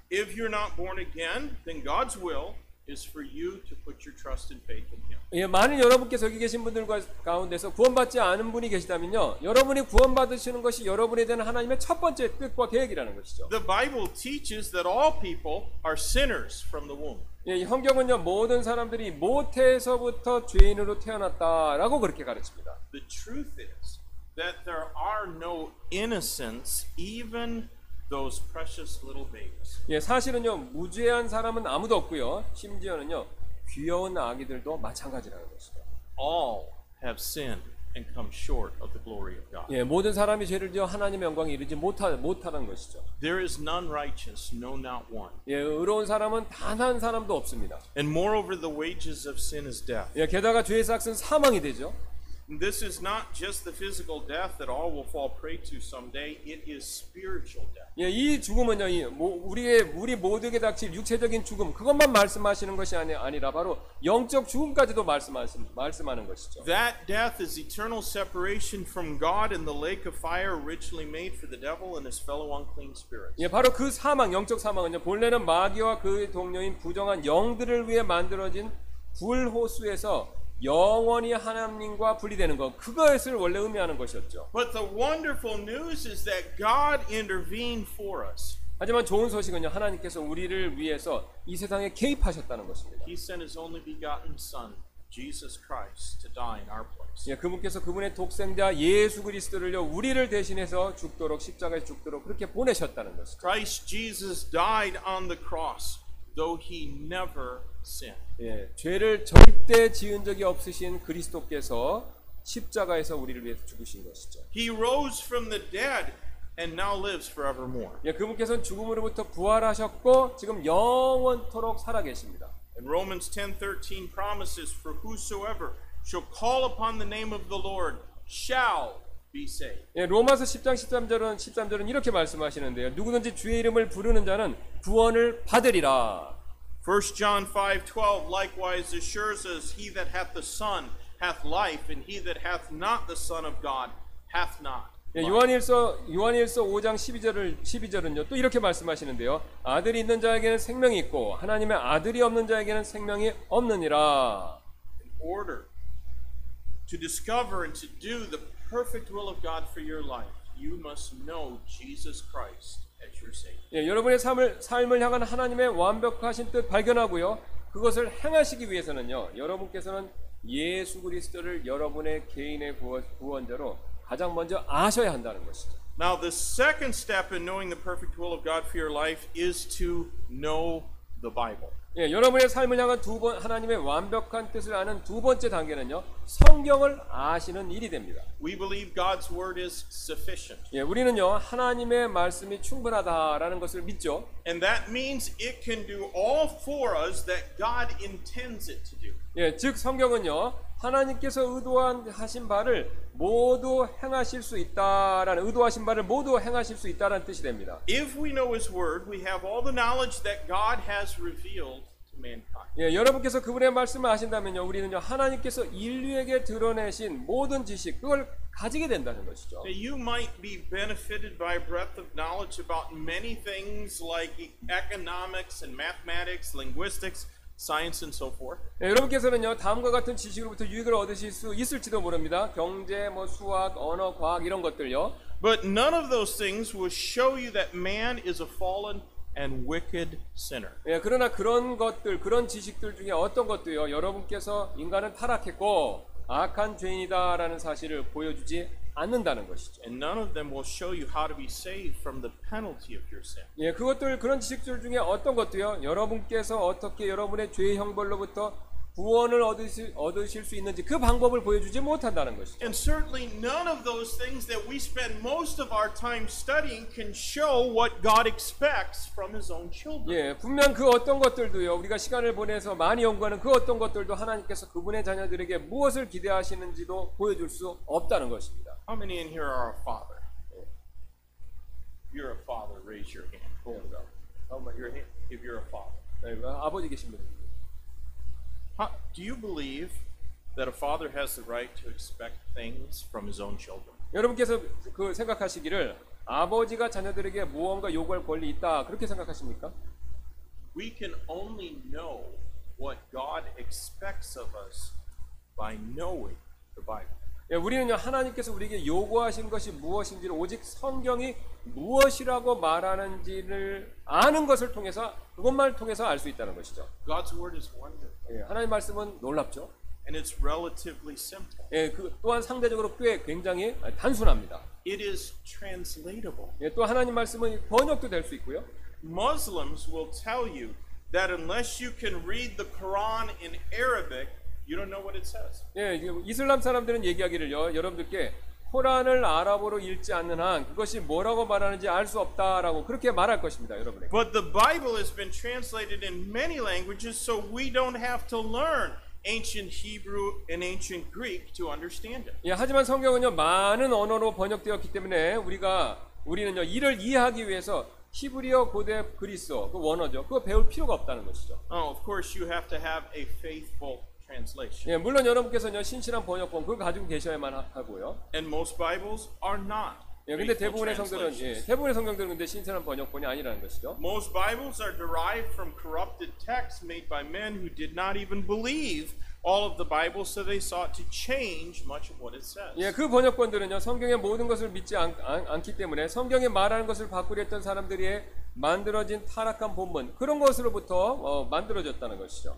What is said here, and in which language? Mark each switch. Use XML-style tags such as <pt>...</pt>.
<en>If you're not born again, then God's will is for you to put your trust and faith in Him.</en> <ko>예, 많은 여러분께서 여기 계신 분들 가운데서 구원받지 않은 분이 계시다면요, 여러분이 구원받으시는 것이 여러분에 대한 하나님의 첫 번째 뜻과 계획이라는 것이죠.</ko> <en>The Bible teaches that all people are sinners from the womb.</en> <ko>예, 성경은요 모든 사람들이 모태에서부터 죄인으로 태어났다라고 그렇게 가르칩니다.</ko> <en>The truth is that there are no innocents even those precious little babies.</en> <ko>예, 사실은요 무죄한 사람은 아무도 없고요. 심지어는요 귀여운 아기들도 마찬가지라는 것이죠.</ko> <en>All have sinned and come short of the glory of God.</en> <ko>예, 모든 사람이 죄를 지어 하나님의 영광에 이르지 못하는 것이죠.</ko> <en>There is none righteous, no, not one.</en> <ko>예, 의로운 사람은 단 한 사람도 없습니다.</ko> <en>And moreover, the wages of sin is death.</en> <ko>예, 게다가 죄의 삯은 사망이 되죠.</ko> <en>This is not just the physical death that all will fall prey to someday. It is spiritual death.</en> <ko>예, 이 죽음은요, 우리 모두에게 닥칠 육체적인 죽음 그것만 말씀하시는 것이 아니라 바로 영적 죽음까지도 말씀하는 것이죠.</ko> <en>That death is eternal separation from God in the lake of fire, richly made for the devil and his fellow unclean spirits.</en> <ko>예, 바로 그 사망, 영적 사망은요, 본래는 마귀와 그의 동료인 부정한 영들을 위해 만들어진 불 호수에서 영원히 하나님과 분리되는 것, 그것을 원래 의미하는 것이었죠.</ko> <en>But the wonderful news is that God intervened for us.</en> <ko>하지만 좋은 소식은요, 하나님께서 우리를 위해서 이 세상에 개입하셨다는 것입니다.</ko> <en>He sent His only begotten Son. Jesus Christ to die in our place.</en> <ko>예, 그분께서 그분의 독생자 예수 그리스도를요 우리를 대신해서 죽도록 십자가에 죽도록 그렇게 보내셨다는 것이죠.</ko> <en>Christ Jesus died on the cross, though he never sinned.</en> <ko>예, 죄를 절대 지은 적이 없으신 그리스도께서 십자가에서 우리를 위해서 죽으신 것이죠.</ko> <en>He rose from the dead and now lives forevermore.</en> <ko>예, 그분께서는 죽음으로부터 부활하셨고 지금 영원토록 살아계십니다.</ko> <en>And Romans 10:13 promises, for whosoever shall call upon the name of the Lord shall be saved.</en> <ko>예, 로마서 10장 13절은 이렇게 말씀하시는데요. 누구든지 주의 이름을 부르는 자는 구원을 받으리라.</ko> <en>1 John 5:12 likewise assures us, he that hath the Son hath life, and he that hath not the Son of God hath not.</en> <ko>예, 요한일서 5장 12절은요 또 이렇게 말씀하시는데요. 아들이 있는 자에게는 생명이 있고 하나님의 아들이 없는 자에게는 생명이 없느니라.</ko> <en>In order to discover and to do the perfect will of God for your life, you must know Jesus Christ as your Savior.</en> <ko>예, 여러분의 삶을 향한 하나님의 완벽하신 뜻 발견하고요. 그것을 행하시기 위해서는요. 여러분께서는 예수 그리스도를 여러분의 개인의 구원자로 가장 먼저 아셔야 한다는 것이죠.</ko> <en>Now the second step in knowing the perfect will of God for your life is to know the Bible.</en> <ko>예, 여러분의 삶을 향한 하나님의 완벽한 뜻을 아는 두 번째 단계는요. 성경을 아시는 일이 됩니다.</ko> <en>We believe God's word is sufficient.</en> <ko>예, 우리는요. 하나님의 말씀이 충분하다라는 것을 믿죠.</ko> <en>And that means it can do all for us that God intends it to do.</en> <ko>예, 즉 성경은요. 하나님께서 의도하신 바를 모두 행하실 수 있다라는 의도하신 바를 모두 행하실 수 있다라는 뜻이 됩니다.</ko> <en>If we know his word, we have all the knowledge that God has revealed to mankind.</en> <ko>예, 여러분께서 그분의 말씀을 아신다면요. 우리는요. 하나님께서 인류에게 드러내신 모든 지식 그걸 가지게 된다는 것이죠.</ko> <en>Now you might be benefited by a breadth of knowledge about many things like economics and mathematics, linguistics, science and so forth.</en> <ko>예, 여러분께서는요 다음과 같은 지식으로부터 유익을 얻으실 수 있을지도 모릅니다. 경제, 뭐 수학, 언어, 과학 이런 것들요.</ko> <en>But none of those things will show you that man is a fallen and wicked sinner.</en> <ko>예, 그러나 그런 것들, 그런 지식들 중에 어떤 것도요 여러분께서 인간은 타락했고 악한 죄인이다라는 사실을 보여주지 않는다는 것이죠.</ko> <en>And none of them will show you how to be saved from the penalty of your sin.</en> <ko>예, 그것들 그런 지식들 중에 어떤 것도요. 여러분께서 어떻게 여러분의 죄의 형벌로부터 구원을 얻으실 수 있는지 그 방법을 보여주지 못한다는 것이죠.</ko> <en>And certainly none of those things that we spend most of our time studying can show what God expects from his own children.</en> <ko>예, 분명 그 어떤 것들도요. 우리가 시간을 보내서 많이 연구하는 그 어떤 것들도 하나님께서 그분의 자녀들에게 무엇을 기대하시는지도 보여줄 수 없다는 것입니다.</ko> <en>How many in here are a father? You're a father, raise your hand. Hold it up. How many your hand if you're a father?</en> <ko>네, 아버지 계십니다.</ko> <en>Do you believe that a father has the right to expect things from his own children?</en> <ko>여러분께서 그 생각하시기를 아버지가 자녀들에게 무언가 요구할 권리 있다 그렇게 생각하십니까?</ko> <en>We can only know what God expects of us by knowing the Bible.</en> <ko>예, 우리는요 하나님께서 우리에게 요구하신 것이 무엇인지를 오직 성경이 무엇이라고 말하는지를 아는 것을 통해서 그것만을 통해서 알 수 있다는 것이죠.</ko> <en>God's word is wonderful.</en> <ko>예, 하나님 말씀은 놀랍죠.</ko> <en>And it's relatively simple.</en> <ko>예, 그 또한 상대적으로 꽤 굉장히 단순합니다.</ko> <en>It is translatable.</en> <ko>예, 또 하나님 말씀은 번역도 될 수 있고요.</ko> <en>Muslims will tell you that unless you can read the Quran in Arabic, you don't know what it says.</en> <ko>예, 이슬람 사람들은 얘기하기를요. 여러분들께 코란을 아랍어로 읽지 않는 한 그것이 뭐라고 말하는지 알 수 없다라고 그렇게 말할 것입니다, 여러분에게.</ko> <en>But the Bible has been translated in many languages, so we don't have to learn ancient Hebrew and ancient Greek to understand it.</en> <ko>예, 하지만 성경은요 많은 언어로 번역되었기 때문에 우리는요 이를 이해하기 위해서 히브리어, 고대 그리스어, 그 원어죠. 그거 배울 필요가 없다는 것이죠.</ko> <en>Oh, of course you have to have a faithful translation.</en> <ko>예, 물론 여러분께서는요 신실한 번역본 그걸 가지고 계셔야만 하고요.</ko> <en>And most Bibles are not.</en> <ko>예, 근데 대부분의 성경은 예, 대부분의 성경들은 근데 신실한 번역본이 아니라는 것이죠.</ko> <en>Most Bibles are derived from corrupted texts made by men who did not even believe all of the Bible, so they sought to change much of what it says.</en> <ko>예, 그 번역본들은요 성경의 모든 것을 믿지 않기 때문에 성경에 말하는 것을 바꾸려 했던 사람들이 만들어진 타락한 본문 그런 것으로부터 만들어졌다는 것이죠.</ko>